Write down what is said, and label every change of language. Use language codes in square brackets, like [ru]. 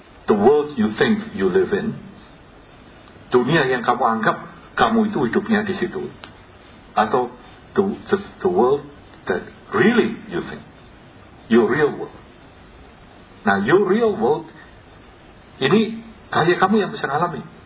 [en] The world you think you live in. [id] Dunia yang kamu anggap kamu itu hidupnya di situ. Atau [en] the world that really you think, your real world. Now your real world [id] Ini hanya kamu yang bisa alami.